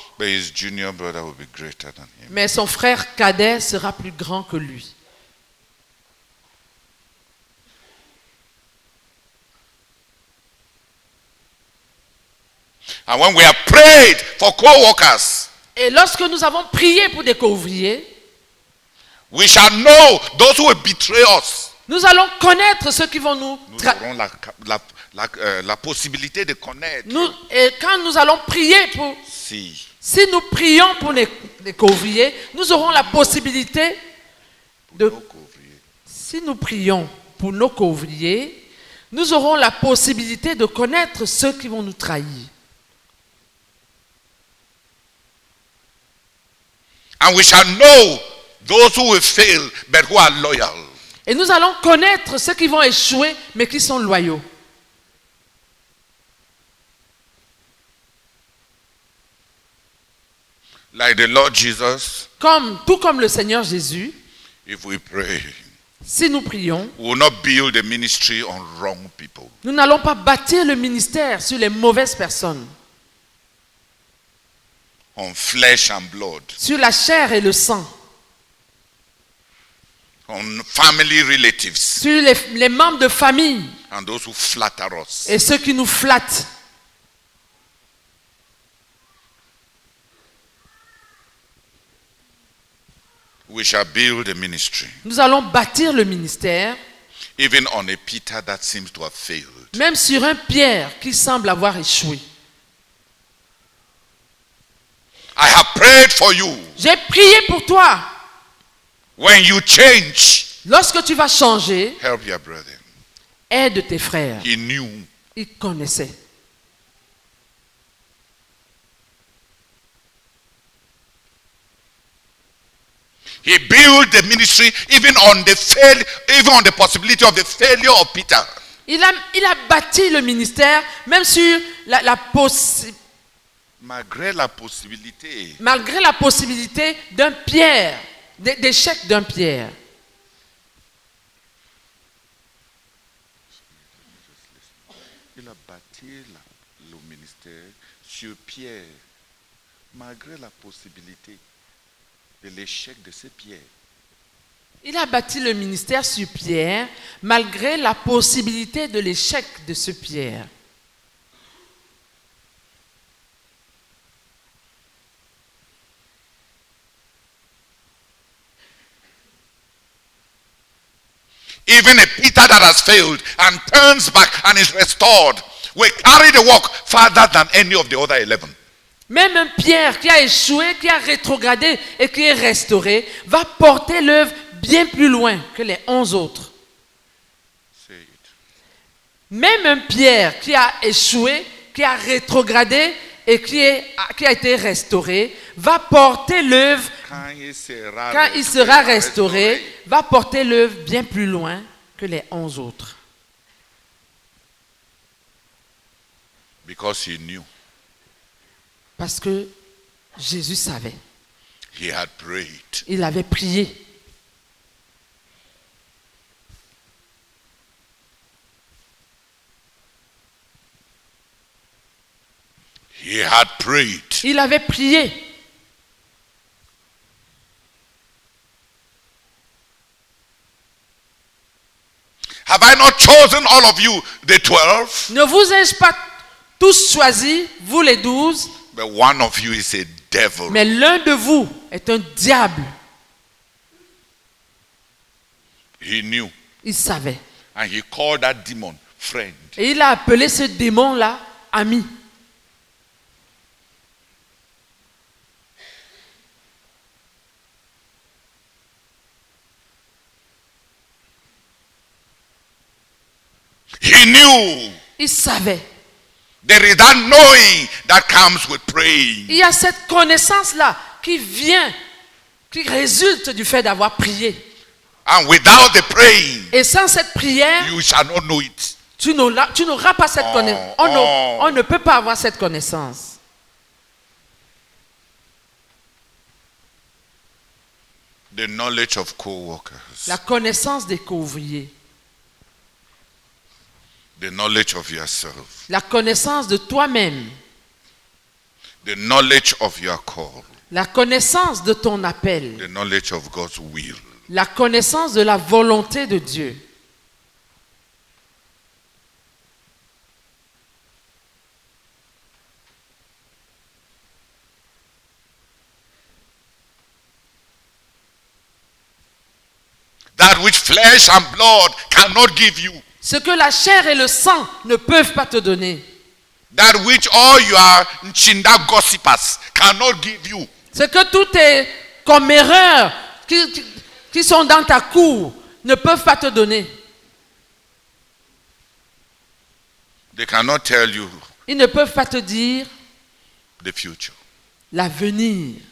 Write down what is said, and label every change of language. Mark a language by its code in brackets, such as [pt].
[en] But his junior brother will be greater than him. [fr] Mais son frère cadet sera plus grand que lui. [en] And when we have prayed for co-workers, [fr] et lorsque nous avons prié pour des co-ouvriers, [en] we shall know those who will betray us. [fr] Nous allons connaître ceux qui vont nous trahir. Nous aurons la possibilité de connaître. Et quand nous allons prier pour... Si nous prions pour les couvriers, nous aurons la possibilité de... Si nous prions pour nos couvriers, nous aurons la possibilité de connaître ceux qui vont nous trahir. [en] And we shall know those who will fail, but who are loyal. [fr] Et nous allons connaître ceux qui vont échouer, mais qui sont loyaux. [en] Like the Lord Jesus, [fr] tout comme le Seigneur Jésus, [en] if we pray, [fr] si nous prions, [en] we will not build the ministry on wrong people. [fr] Nous n'allons pas bâtir le ministère sur les mauvaises personnes. [en] On flesh and blood. [fr] Sur la chair et le sang. [en] On family relatives. [fr] Sur les membres de famille. [en] And those who flatter us. [fr] Et ceux qui nous flattent. [en] We shall build a ministry. [fr] Nous allons bâtir le ministère. [en] Even on a Peter that seems to have failed. [fr] Même sur un Pierre qui semble avoir échoué. [en] I have prayed for you. [fr] J'ai prié pour toi. [en] When you change, [fr] lorsque tu vas changer, [en] help your brother. [fr] Aide tes frères. [en] He knew. [fr] Il connaissait. [en] He built the ministry even on the even on the possibility of the failure of Peter. [fr] Il a bâti le ministère même sur la possibilité. Malgré la possibilité d'un Pierre, d'échec d'un Pierre. Il a bâti le ministère sur Pierre, malgré la possibilité de l'échec de ce Pierre. Il a bâti le ministère sur Pierre, malgré la possibilité de l'échec de ce Pierre. [en] Even a Peter that has failed and turns back and is restored will carry the work farther than any of the other 11. [fr] Même un Pierre qui a échoué, qui a rétrogradé et qui est restauré, va porter l'œuvre bien plus loin que les 11 autres. [en] Say it. [fr] Même un Pierre qui a échoué, qui a rétrogradé et qui a été restauré, va porter l'œuvre. Quand il sera restauré, va porter l'œuvre bien plus loin que les 11 autres. [en] Because he knew. [fr] Parce que Jésus savait. [en] He had prayed. [fr] Il avait prié. [en] He had prayed. [fr] Il avait prié. [en] Have I not chosen all of you, the 12? [fr] Ne vous ai-je pas tous choisis, vous les 12? [en] But one of you is a devil. [fr] Mais l'un de vous est un diable. [en] He knew. [fr] Il savait. [en] And he called that demon friend. [fr] Et il a appelé ce démon-là ami. [en] He knew. [fr] Il savait. [en] There is that knowing that comes with praying. [fr] Il y a cette connaissance là qui vient, qui résulte du fait d'avoir prié. [en] And without the praying, [fr] et sans cette prière, [en] you shall not know it. [fr] Tu n'auras pas cette connaissance. On ne peut pas avoir cette connaissance. [en] The knowledge of co-workers. [fr] La connaissance des co-ouvriers. [en] The knowledge of yourself. [fr] La connaissance de toi-même. [en] The knowledge of your call. [fr] La connaissance de ton appel. [en] The knowledge of God's will. [fr] La connaissance de la volonté de Dieu. [en] That which flesh and blood cannot give you. [fr] Ce que la chair et le sang ne peuvent pas te donner. [en] That which all your chinda gossipers cannot give you. [fr] Ce que tous tes commérants qui sont dans ta cour ne peuvent pas te donner. [en] They cannot tell you. [fr] Ils ne peuvent pas te dire [en] the future. [fr] L'avenir.